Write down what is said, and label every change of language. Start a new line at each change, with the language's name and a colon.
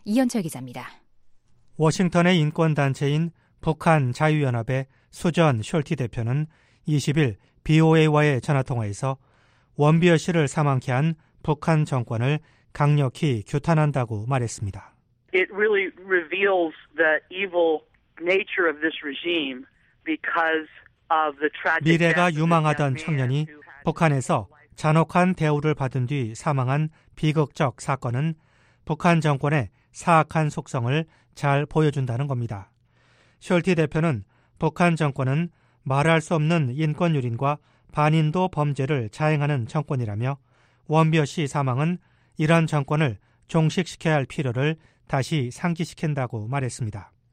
Korean: 이현철 기자입니다. 워싱턴의 인권단체인 북한자유연합의 수전 숄티 대표는 20일 BOA와의 전화통화에서 원비어 씨를 사망케 한 북한 정권을 강력히 규탄한다고 말했습니다.
English: It really reveals the evil nature of this regime because of the tragic
Korean: 미래가 유망하던 청년이 북한에서 잔혹한 대우를 받은 뒤 사망한 비극적 사건은 북한 정권의 사악한 속성을 잘 보여준다는 겁니다. 숄티 대표는 북한 정권은 말할 수 없는 인권 유린과 반인도 범죄를 자행하는 정권이라며 원비어 씨 사망은 이런 정권을 종식시켜야 할 필요를 다시 상기시킨다고 말했습니다.